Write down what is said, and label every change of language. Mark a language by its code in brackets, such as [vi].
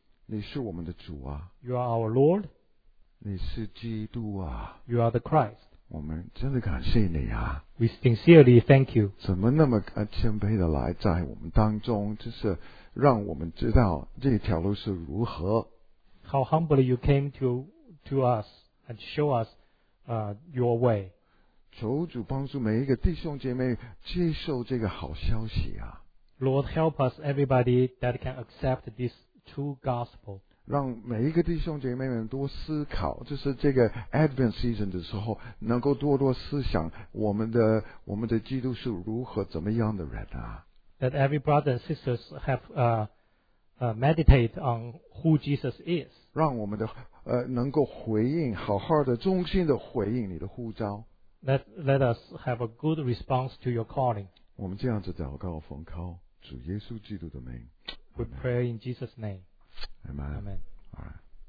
[zh] 你是我们的主啊。 [en] You are our Lord. [zh] 你是基督啊。 [en] You are the Christ. [zh] 我们真的感谢你啊。 [en] We sincerely thank you. [zh] 怎么那么谦卑的来在我们当中，就是让我们知道这条路是如何。 [en] How humbly you came to us and show us your way. [zh] 求主帮助每一个弟兄姐妹接受这个好消息啊。 [en] Lord, help us everybody that can accept this true gospel. [zh] 让每一个弟兄姐妹们多思考，就是这个 Advent season 的时候，能够多多思想我们的基督是如何怎么样的人啊。 [en] That every brother and sisters have meditate on who Jesus is. [zh] 让我们的能够回应，好好的忠心的回应你的呼召。 [en] Let us have a good response to your calling. [zh] 我们这样子祷告奉靠主耶稣基督的名。 [en] We pray in Jesus' name. Amen. Amen. All right.